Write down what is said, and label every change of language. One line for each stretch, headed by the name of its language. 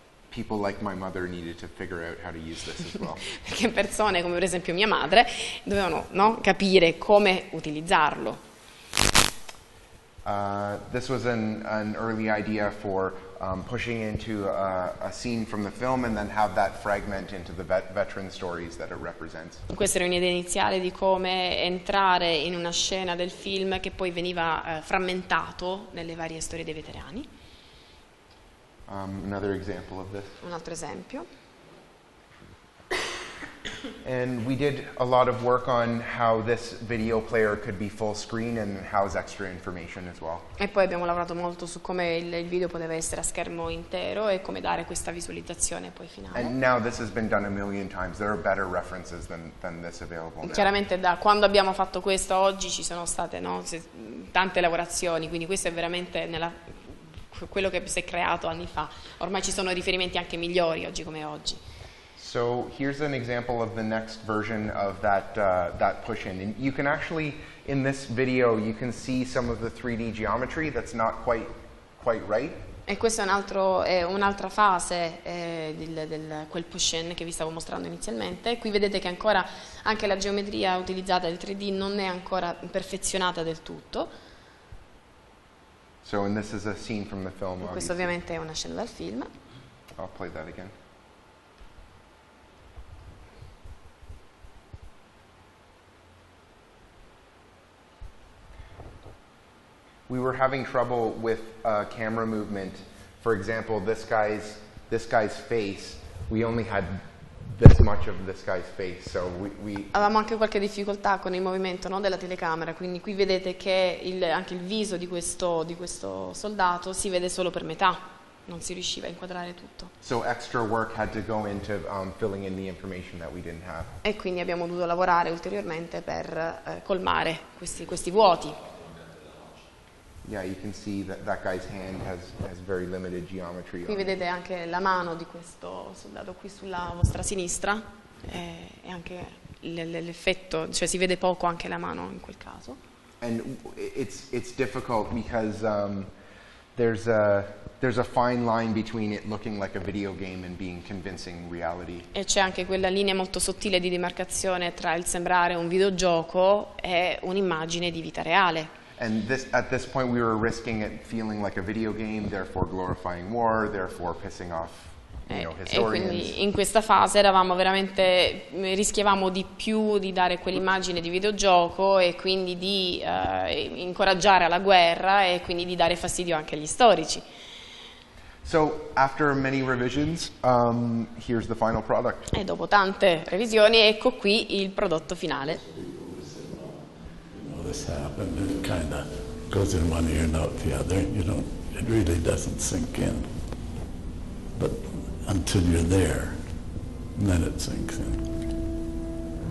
English: People like my mother needed to figure out how to use this as well.
Italian: Perché persone come per esempio mia madre dovevano, no, capire come utilizzarlo.
English: This was an early idea for pushing into a scene from the film and then have that fragment into the veteran stories that it represents.
Italian: Questa era un'idea iniziale di come entrare in una scena del film che poi veniva frammentato nelle varie storie dei veterani.
English: Another example of this.
Italian: Un altro esempio.
English: And we did a lot of work on how this video player could be full screen and house extra information as well.
Italian: E poi abbiamo lavorato molto su come il video poteva essere a schermo intero e come dare questa visualizzazione poi finale.
English: And now this has been done a million times. There are better references than this available.
Italian: Chiaramente
English: now.
Italian: Da quando abbiamo fatto questo oggi ci sono state, no, tante lavorazioni, quindi questo è veramente nella quello che si è creato anni fa. Ormai ci sono riferimenti anche migliori oggi come oggi.
English: So here's an example of the next version of that push-in. And you can actually, in this video, you can see some of the 3D geometry that's not quite right.
Italian: E questa è un'altra fase del quel push-in che vi stavo mostrando inizialmente. Qui vedete che ancora anche la geometria utilizzata del 3D non è ancora perfezionata del tutto.
English: So, and this is a scene from the film.
Italian: Questo ovviamente è una scena dal film.
English: I'll play that again. We were having trouble with camera movement. For example, this guy's face. We only had this much of this guy's face, so we
Italian: avevamo anche qualche difficoltà con il movimento, no, della telecamera. Quindi qui vedete che anche il viso di questo soldato si vede solo per metà. non si riusciva a inquadrare tutto.
English: So extra work had to go into filling in the information that we didn't have.
Italian: E quindi abbiamo dovuto lavorare ulteriormente per colmare questi vuoti.
English: Yeah, you can see that guy's hand has very limited geometry.
Italian: Qui vedete anche la mano di questo soldato qui sulla vostra sinistra, e anche l'effetto, cioè si vede poco anche la mano in quel caso.
English: And it's difficult because there's a fine line between it looking like a video game and being convincing reality.
Italian: E c'è anche quella linea molto sottile di demarcazione tra il sembrare un videogioco e un'immagine di vita reale.
English: And at this point we were risking it feeling like a video game, therefore glorifying war, therefore pissing off, you know, historians.
Italian: E quindi in questa fase eravamo veramente, rischiavamo di più di dare quell'immagine di videogioco e quindi di incoraggiare alla guerra e quindi di dare fastidio anche agli storici.
English: So after many revisions, here's the final product.
Italian: E dopo tante revisioni ecco qui il prodotto finale.
English: This happened and kind of goes in one ear and out the other. You don't, it really doesn't sink in. But until you're there, then it sinks in.